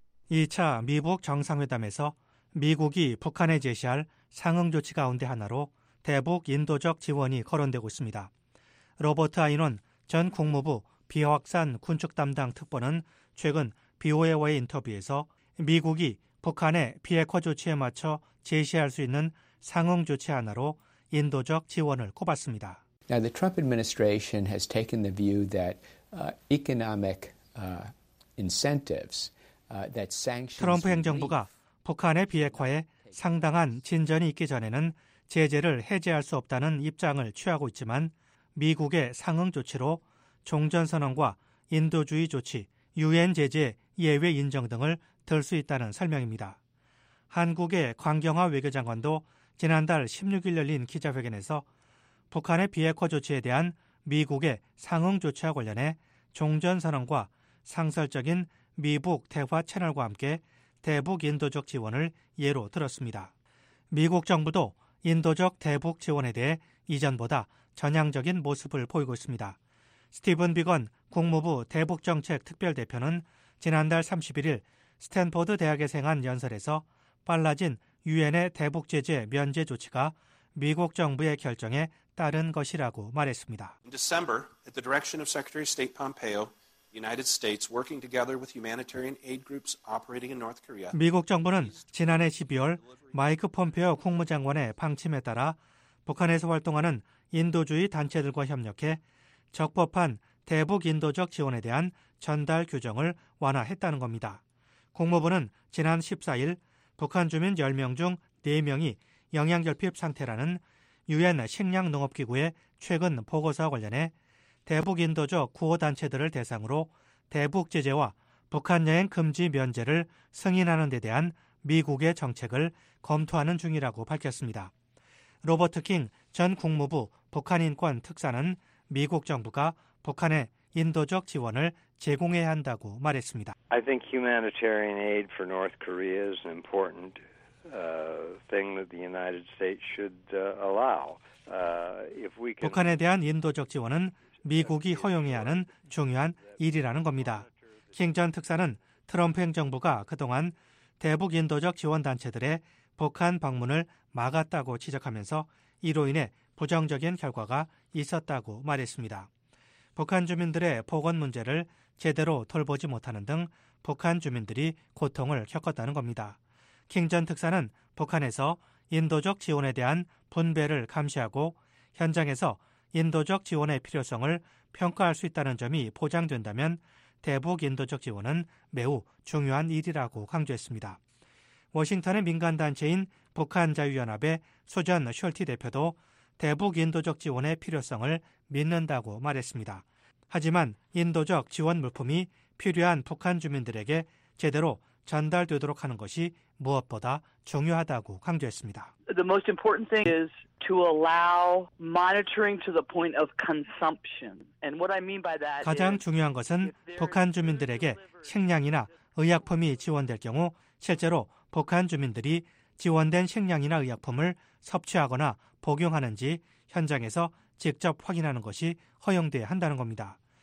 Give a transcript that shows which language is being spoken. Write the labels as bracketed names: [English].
[Korean] 2차 미북 정상회담에서 미국이 북한에 제시할 상응 조치 가운데 하나로 대북 인도적 지원이 거론되고 있습니다. 로버트 아이논 전 국무부 비확산 군축 담당 특보는 최근 BOA와의 인터뷰에서 미국이 북한의 비핵화 조치에 맞춰 제시할 수 있는 상응 조치 하나로 인도적 지원을 꼽았습니다. [English] Now the Trump administration has taken the view that economic incentives that sanctions [Korean] 트럼프 행정부가 북한의 비핵화에 상당한 진전이 있기 전에는 제재를 해제할 수 없다는 입장을 취하고 있지만 미국의 상응 조치로 종전선언과 인도주의 조치, 유엔 제재 예외 인정 등을 들 수 있다는 설명입니다. 한국의 광경화 외교장관도 지난달 16일 열린 기자회견에서 북한의 비핵화 조치에 대한 미국의 상응 조치와 관련해 종전선언과 상설적인 미북 대화 채널과 함께 대북 인도적 지원을 예로 들었습니다. 미국 정부도 인도적 대북 지원에 대해 이전보다 전향적인 모습을 보이고 있습니다. 스티븐 비건 국무부 대북정책특별대표는 지난달 31일 스탠퍼드 대학에서 한 연설에서 빨라진 유엔의 대북제재 면제 조치가 미국 정부의 결정에 따른 것이라고 말했습니다. [English] In December, at the direction of Secretary of State Pompeo, the United States working together with humanitarian aid groups operating in North Korea. [Korean] 미국 정부는 지난해 12월 마이크 폼페오 국무장관의 방침에 따라 북한에서 활동하는 인도주의 단체들과 협력해 적법한 대북 인도적 지원에 대한 전달 규정을 완화했다는 겁니다. 국무부는 지난 14일 북한 주민 10명 중 4명이 영양결핍 상태라는 유엔 식량농업기구의 최근 보고서와 관련해 대북 인도적 구호단체들을 대상으로 대북 제재와 북한 여행 금지 면제를 승인하는 데 대한 미국의 정책을 검토하는 중이라고 밝혔습니다. 로버트 킹 전 국무부 북한인권 특사는 미국 정부가 북한에 인도적 지원을 제공해야 한다고 말했습니다. [English] I think humanitarian aid for North Korea is an important thing that the United States should allow. If we can [Korean] 북한에 대한 인도적 지원은 미국이 허용해야 하는 중요한 일이라는 겁니다. 킹 전 특사는 트럼프 행정부가 그동안 대북 인도적 지원 단체들의 북한 방문을 막았다고 지적하면서 이로 인해 부정적인 결과가 있었다고 말했습니다. 북한 주민들의 보건 문제를 제대로 돌보지 못하는 등 북한 주민들이 고통을 겪었다는 겁니다. 킹 전 특사는 북한에서 인도적 지원에 대한 분배를 감시하고 현장에서 인도적 지원의 필요성을 평가할 수 있다는 점이 보장된다면 대북 인도적 지원은 매우 중요한 일이라고 강조했습니다. 워싱턴의 민간단체인 북한자유연합의 소전 숄티 대표도 대북 인도적 지원의 필요성을 믿는다고 말했습니다. 하지만 인도적 지원 물품이 필요한 북한 주민들에게 제대로 전달되도록 하는 것이 무엇보다 중요하다고 강조했습니다. [English] The most important thing is to allow monitoring to the point of consumption. And what I mean by that is [Korean] 가장 중요한 것은 북한 주민들에게 식량이나 의약품이 지원될 경우 실제로 북한 주민들이 지원된 식량이나 의약품을 섭취하거나 복용하는지 현장에서 직접 확인하는 것이 허용돼야 한다는 겁니다.